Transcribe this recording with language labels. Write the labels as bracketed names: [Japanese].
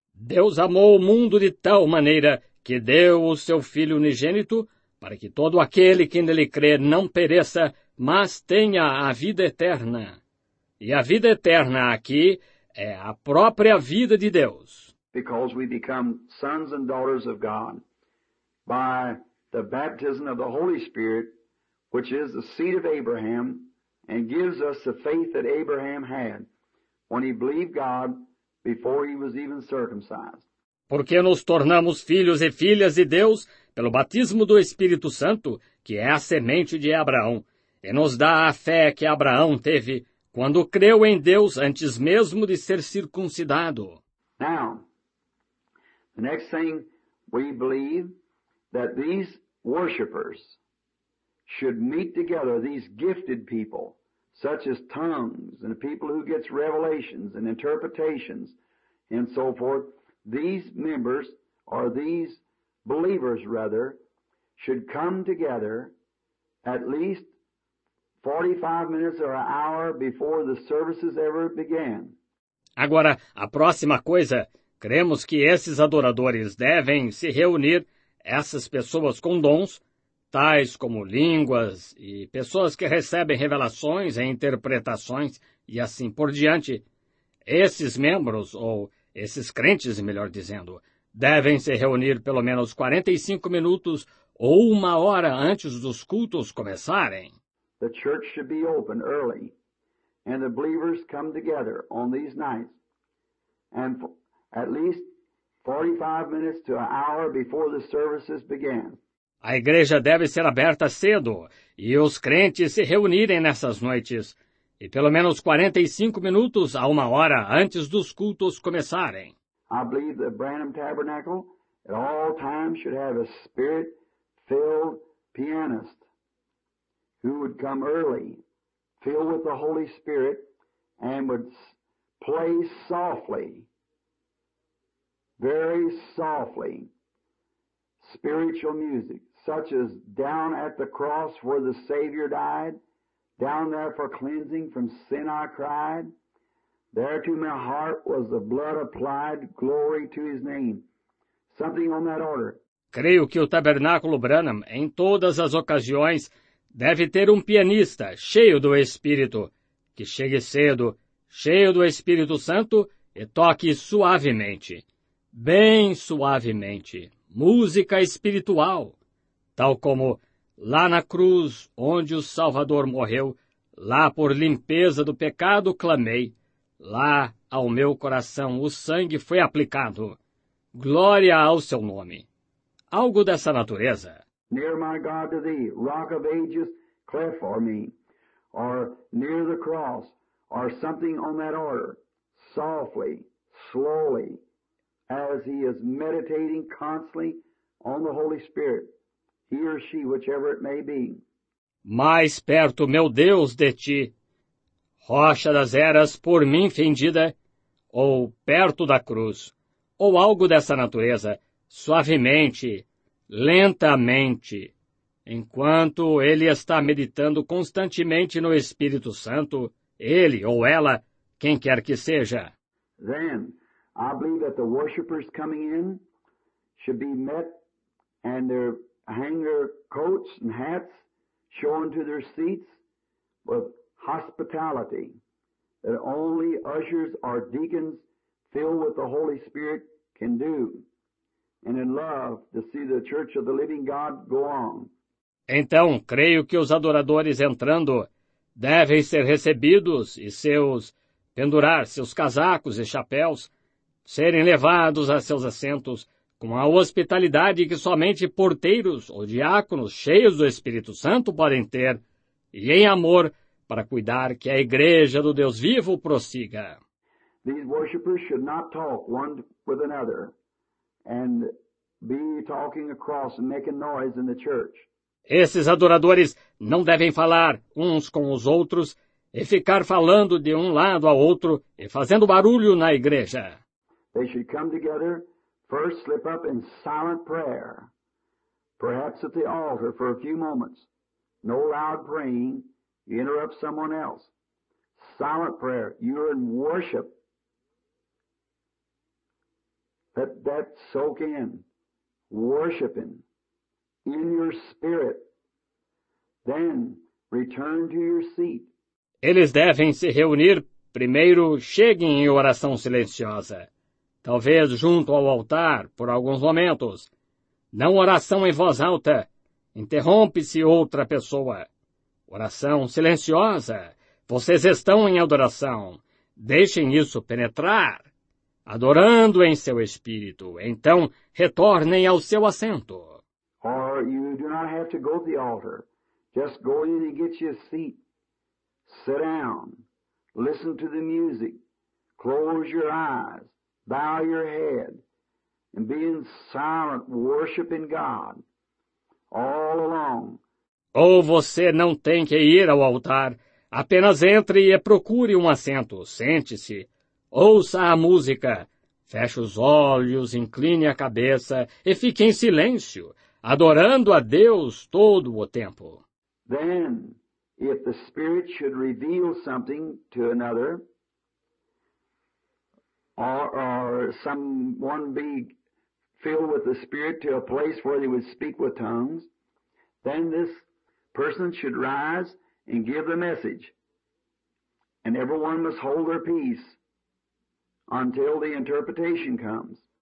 [Portuguese] Deus amou o mundo de tal maneira que deu o seu Filho unigênito para que todo aquele que nele crê não pereça, mas tenha a vida eterna. E a vida eterna aqui é a própria vida de Deus. [English] Because we become sons and daughters of God by the baptism of the Holy Spirit, which is the seed of Abraham, and gives us the faith that Abraham had when he believed God before he was even circumcised. [Portuguese] Porque nos tornamos filhos e filhas de Deus pelo batismo do Espírito Santo, que é a semente de Abraão, e nos dá a fé que Abraão teve quando creu em Deus antes mesmo de ser circuncidado. [English] Now, the next thing we believe that these worshipers should meet together, these gifted people, such as tongues and the people who gets revelations and interpretations and so forth, these members, or these believers rather, should come together at least 45 minutes or an hour before the services ever began. [Portuguese] Agora, a próxima coisa, cremos que esses adoradores devem se reunir, essas pessoas com dons, tais como línguas e pessoas que recebem revelações e interpretações e assim por diante. Esses membros, ou esses crentes, melhor dizendo, devem se reunir pelo menos 45 minutos ou uma hora antes dos cultos começarem. [English] The church should be open early, and the believers come together on these nights, and at least 45 minutes to an hour before the services begin. [Portuguese] A igreja deve ser aberta cedo, e os crentes se reunirem nessas noites, e pelo menos 45 minutos a uma hora antes dos cultos começarem. [English] I believe the Branham Tabernacle at all times should have a spirit-filled pianist who would come early, filled with the Holy Spirit, and would play softly, very softly, spiritual music, such as down at the cross where the Savior died, down there for cleansing from sin I cried, there to my heart was the blood applied, glory to his name. Something on that order. [Portuguese] Creio que o Tabernáculo Branham, em todas as ocasiões, deve ter um pianista cheio do Espírito, que chegue cedo, cheio do Espírito Santo, e toque suavemente, bem suavemente, música espiritual, tal como lá na cruz onde o Salvador morreu, lá por limpeza do pecado clamei, lá ao meu coração o sangue foi aplicado. Glória ao seu nome. Algo dessa natureza. [English] Near my God to thee, rock of ages, cleft for me, or near the cross, or something on that order, softly, slowly, as he is meditating constantly on the Holy Spirit, he or she, whichever it may be. [Portuguese] Mais perto, meu Deus, de ti, rocha das eras por mim fendida, ou perto da cruz, ou algo dessa natureza, suavemente, lentamente, enquanto ele está meditando constantemente no Espírito Santo, ele ou ela, quem quer que seja. [English] Then, I believe that the worshipers coming in should be met and their hanger coats and hats shown to their seats with hospitality, that only ushers or deacons filled with the Holy Spirit can do, and in love to see the church of the living God go on. [Portuguese] Então, creio que os adoradores entrando devem ser recebidos e seus pendurar seus casacos e chapéus, serem levados a seus assentos com a hospitalidade que somente porteiros ou diáconos cheios do Espírito Santo podem ter, e em amor para cuidar que a igreja do Deus vivo prossiga. [English] These worshipers should not talk one with another and be talking across and making noise in the church. [Portuguese] Esses adoradores não devem falar uns com os outros e ficar falando de um lado ao outro e fazendo barulho na igreja. [English] They should come together, first slip up in silent prayer, perhaps at the altar for a few moments. No loud praying, you interrupt someone else. Silent prayer, you're in worship. Let that soak in, worshiping in your spirit. Then return to your seat. [Portuguese] Eles devem se reunir, primeiro cheguem em oração silenciosa, talvez junto ao altar por alguns momentos. Não oração em voz alta, interrompe-se outra pessoa. Oração silenciosa, vocês estão em adoração, deixem isso penetrar. Adorando em seu espírito, então retornem ao seu assento. [English] Or you do not have to go to the altar, just go in and get your seat. Sit down, listen to the music, close your eyes, bow your head, and be in silent, worshiping God, all along. [Portuguese] Ou você não tem que ir ao altar, apenas entre e procure um assento, sente-se, ouça a música, feche os olhos, incline a cabeça e fique em silêncio, adorando a Deus todo o tempo. [English] Then, if the Spirit should reveal something to another, or someone be filled with the Spirit to a place where they would speak with tongues, then this person should rise and give the message, and everyone must hold their peace until the interpretation comes.